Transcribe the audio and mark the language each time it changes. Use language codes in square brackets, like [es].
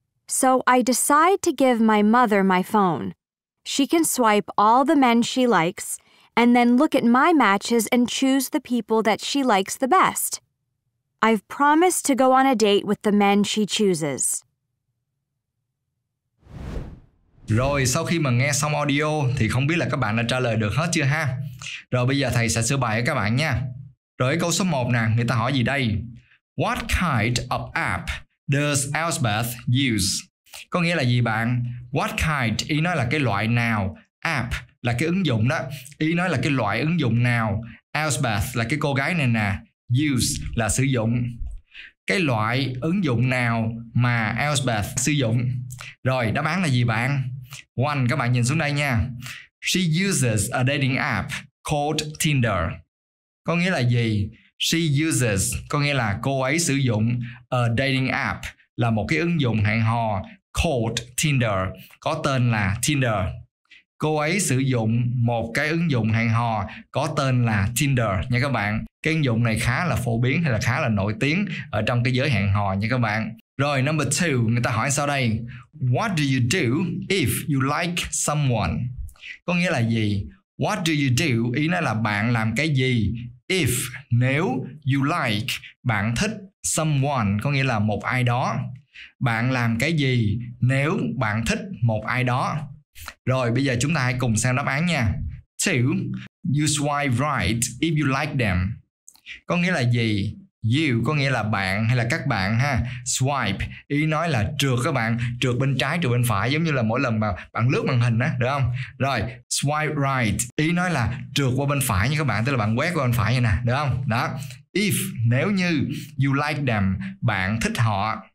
[en] So I decide to give my mother my phone. She can swipe all the men she likes, and then look at my matches and choose the people that she likes the best. I've promised to go on a date with the men she chooses. [vi] Rồi sau khi mà nghe xong audio thì không biết là các bạn đã trả lời được hết chưa ha. Rồi bây giờ thầy sẽ sửa bài với các bạn nha. Rồi câu số 1 nè, người ta hỏi gì đây? [en] What kind of app does Elspeth use? [vi] Có nghĩa là gì bạn? [en] What kind, [vi] ý nói là cái loại nào. App là cái ứng dụng đó. Ý nói là cái loại ứng dụng nào. Elspeth là cái cô gái này nè. Use là sử dụng. Cái loại ứng dụng nào mà Elspeth sử dụng? Rồi, đáp án là gì bạn? One, các bạn nhìn xuống đây nha. [en] She uses a dating app called Tinder. [vi] Có nghĩa là gì? [en] She uses, [vi] có nghĩa là cô ấy sử dụng [en] a dating app, [vi] là một cái ứng dụng hẹn hò [en] called Tinder, [vi] có tên là Tinder. Cô ấy sử dụng một cái ứng dụng hẹn hò có tên là Tinder nha các bạn. Cái ứng dụng này khá là phổ biến hay là khá là nổi tiếng ở trong cái giới hẹn hò nha các bạn. Rồi, [en] number two, [vi] người ta hỏi sau đây. [en] What do you do if you like someone? [vi] Có nghĩa là gì? [en] What do you do? [vi] Ý nói là bạn làm cái gì? If, nếu [en] you like, [vi] bạn thích [en] someone, [vi] có nghĩa là một ai đó. Bạn làm cái gì nếu bạn thích một ai đó? Rồi, bây giờ chúng ta hãy cùng sang đáp án nha. [en] Two, you swipe right if you like them. [vi] Có nghĩa là gì? You có nghĩa là bạn hay là các bạn ha. Swipe, ý nói là trượt các bạn, trượt bên trái, trượt bên phải, giống như là mỗi lần mà bạn lướt màn hình á, được không? Rồi, [en] swipe right, [vi] ý nói là trượt qua bên phải nha các bạn, tức là bạn quét qua bên phải vậy nè, được không? Đó, if, nếu như [en] you like them, [vi] bạn thích họ.